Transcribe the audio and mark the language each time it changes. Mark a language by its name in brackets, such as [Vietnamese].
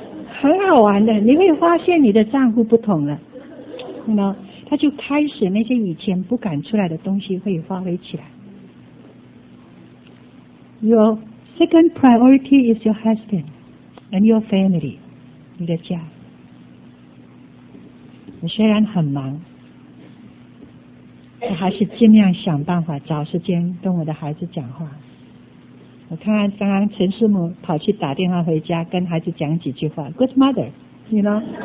[Chinese] 很好玩的，你会发现你的丈夫不同了，你知道，他就开始那些以前不敢出来的东西会发挥起来。 [English] Your second priority is your husband and your family， [Chinese] 你的家。我虽然很忙，我还是尽量想办法找时间跟我的孩子讲话。我看刚刚陈师母跑去打电话回家跟孩子讲几句话， [English] Good mother， [Chinese] 你呢？